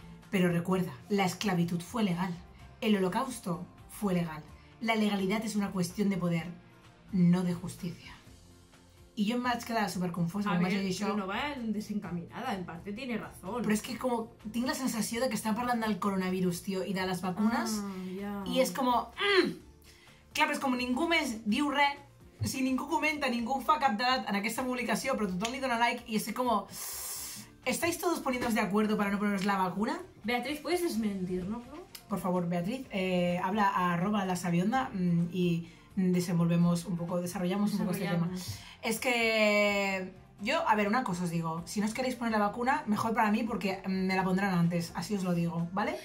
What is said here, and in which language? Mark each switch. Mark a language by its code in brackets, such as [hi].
[es] Pero recuerda, la esclavitud fue legal. El holocausto fue legal. La legalidad es una cuestión de poder, no de justicia. Y yo me he quedado súper confusa. No va desencaminada, en parte tiene razón. Pero es que como tengo la sensación de que están hablando del coronavirus, tío, y de las vacunas. Ah, yeah. Y es como... Claro, es como [ca] ningún mes diu re, si ningú comenta, ningú fa cap dat en aquesta publicació, però tothom li dona like, i [es] estoy como... ¿Estáis todos poniéndose de acuerdo para no poneros la vacuna? Beatriz, ¿puedes desmentirlo, no? Por favor, Beatriz, habla a arroba la sabionda y desenvolvemos un poco, desarrollamos un poco este tema. Es que yo, a ver, una cosa os digo, si no os queréis poner la vacuna, mejor para mí porque me la pondrán antes, así os lo digo, ¿vale?